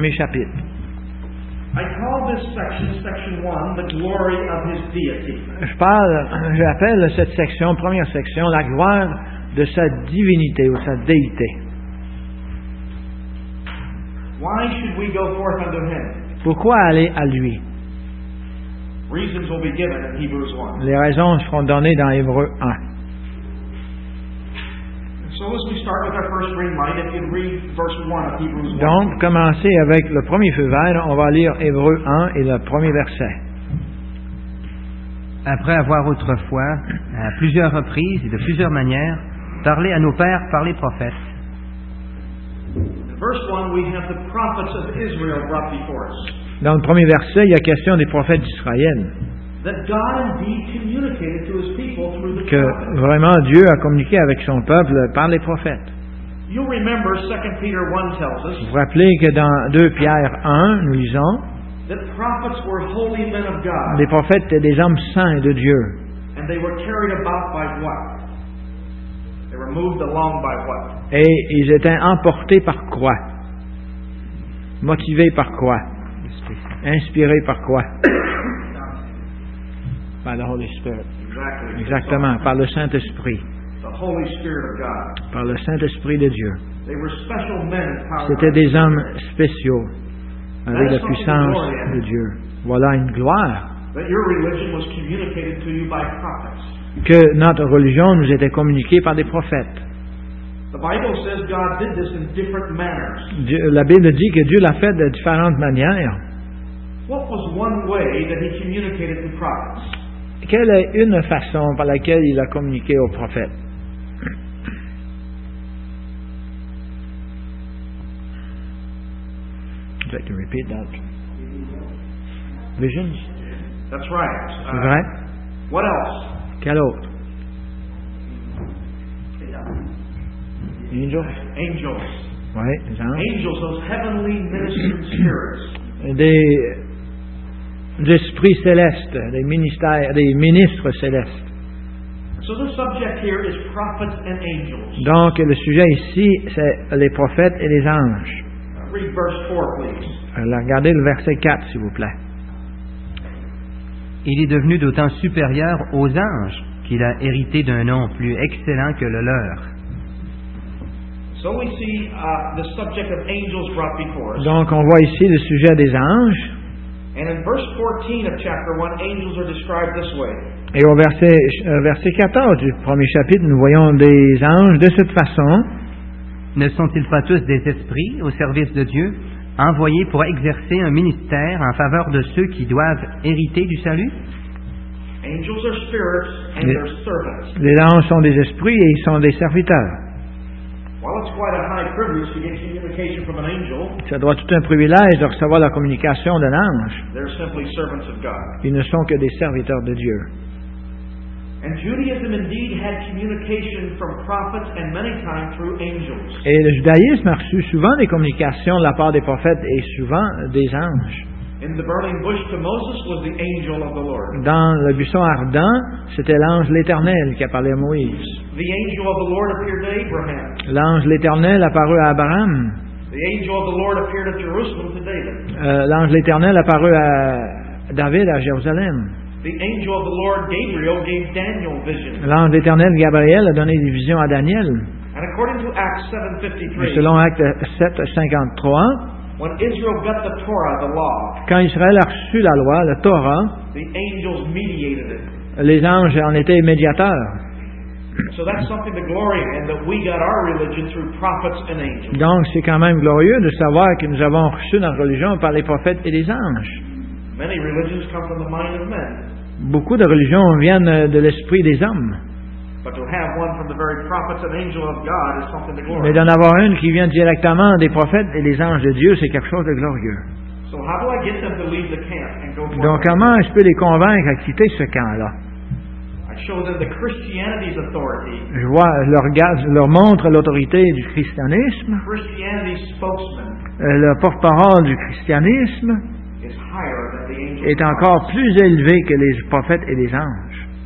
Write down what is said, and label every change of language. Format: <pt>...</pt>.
<en>I call this section 1, the glory of his deity.</en> <fr>J'appelle cette section, première section, la gloire de sa divinité ou sa déité.</fr> <en>Why should we go forth unto him?</en> <fr>Pourquoi aller à lui?</fr> <en>Reasons will be given in Hebrews 1.</en> <fr>Les raisons seront données dans Hébreux 1.</fr> <en>So as we start with our first green light, if you read verse 1 of Hebrews 1.</en> <fr>Donc, commencer avec le premier feu vert, on va lire Hébreux 1 et le premier verset. Après avoir autrefois, à plusieurs reprises et de plusieurs manières, parlé à nos pères par les prophètes.</fr> <en>Verse 1, we have the prophets of Israel brought before us.</en> <fr>Dans le premier verset, il y a question des prophètes d'Israël.</fr> <en>That God indeed communicated to his people through the</en> <fr>que vraiment Dieu a communiqué avec son peuple par les prophètes.</fr> <en>You'll remember 2 Peter 1 tells us.</en> <fr>Vous vous rappelez que dans 2 Pierre 1, nous lisons</fr> <en>that prophets were holy men of God.</en> <fr>Les prophètes étaient des hommes saints de Dieu.</fr> <en>And they were carried about by what? They were moved along by what?</en> <fr>Et ils étaient emportés par quoi? Motivés par quoi? Inspirés par quoi?</fr> <en>By the Holy Spirit. Exactly.</en> <fr>Exactement, par le Saint-Esprit.</fr> <en>The Holy Spirit of God.</en> <fr>Par le Saint-Esprit de Dieu.</fr> <en>They were special men.</en> <fr>C'était des hommes spéciaux avec la puissance de Dieu. Voilà une gloire.</fr> <en>That your religion was communicated to you by prophets.</en> <fr>Que notre religion nous était communiquée par des prophètes.</fr> <en>The Bible says God did this in different manners.</en> <fr>La Bible dit que Dieu l'a fait de différentes manières.</fr> <en>What was one way that he communicated to prophets?</en> <fr>Quelle est une façon par laquelle il a communiqué aux prophètes?</fr> <en>Would you like to repeat that? Visions? That's right.</en> <fr>C'est vrai?</fr> <en>What else?</en> <fr>Quel autre?</fr> <en>Angels? Angels.</en> <fr>Oui, genre.</fr> <en>Angels, those heavenly ministering spirits.</en> <fr>D'esprit céleste, des ministères, des ministres célestes.</fr> <en>So the subject here is prophets and angels.</en> <fr>Donc, le sujet ici, c'est les prophètes et les anges.</fr> <en>Read verse 4, please.</en> <fr>Alors, regardez le verset 4, s'il vous plaît. Il est devenu d'autant supérieur aux anges qu'il a hérité d'un nom plus excellent que le leur.</fr> <en>So we see, the subject of angels brought before us.</en> <fr>Donc, on voit ici le sujet des anges.</fr> <en>And in verse 14 of chapter 1, angels are described this way.</en> <fr>Et au verset 14 du premier chapitre, nous voyons des anges de cette façon. Ne sont-ils pas tous des esprits au service de Dieu, envoyés pour exercer un ministère en faveur de ceux qui doivent hériter du salut?</fr> <en>Angels are spirits and they're servants.</en> <fr>Les anges sont des esprits et ils sont des serviteurs.</fr> <en>Well, it's quite a high privilege to get communication from an angel.</en> <fr>Ça doit être un privilège de recevoir la communication d'un ange.</fr> <en>They're simply servants of God.</en> <fr>Ils ne sont que des serviteurs de Dieu.</fr> <en>And Judaism indeed had communication from prophets and many times through angels.</en> <fr>Et le judaïsme a reçu souvent des communications de la part des prophètes et souvent des anges.</fr> <en>In the burning bush to Moses was the angel of the Lord.</en> <fr>Dans le buisson ardent, c'était l'ange l'Éternel qui a parlé à Moïse.</fr> <en>The angel of the Lord appeared to Abraham.</en> <fr>L'ange l'Éternel apparut à Abraham.</fr> <en>The angel of the Lord appeared at Jerusalem to David.</en> <fr>L'ange l'Éternel apparut à David à Jérusalem.</fr> <en>The angel of the Lord Gabriel gave Daniel vision.</en> <fr>L'ange l'Éternel Gabriel a donné des visions à Daniel.</fr> <en>And according to Acts 7:53.</en> <fr>Et selon Actes 7:53.</fr> <en>When Israel got the Torah, the law,</en> <fr>quand Israël a reçu la loi, la Torah,</fr> <en>the angels mediated it.</en> <fr>Les anges en étaient médiateurs.</fr> <en>So that's something to glory in, that we got our religion through prophets and angels.</en> <fr>Donc c'est quand même glorieux de savoir que nous avons reçu notre religion par les prophètes et les anges.</fr> <en>Many religions come from the mind of men.</en> <fr>Beaucoup de religions viennent de l'esprit des hommes.</fr> <en>But to have one from the very prophets and angels of God is something to glorify.</en> <fr>Mais d'en avoir une qui vient directement des prophètes et des anges de Dieu, c'est quelque chose de glorieux.</fr> <en>So how do I get them to leave the camp and go?</en> <fr>Donc comment je peux les convaincre à quitter ce camp-là?</fr> <en>I show them the Christianity's authority.</en> <fr>Je vois, leur montre l'autorité du christianisme.</fr> <en>Christianity's spokesman.</en> <fr>Le porte-parole du christianisme</fr> <en>is higher than the angels</en> <fr>est encore plus élevé que les prophètes et les anges.</fr>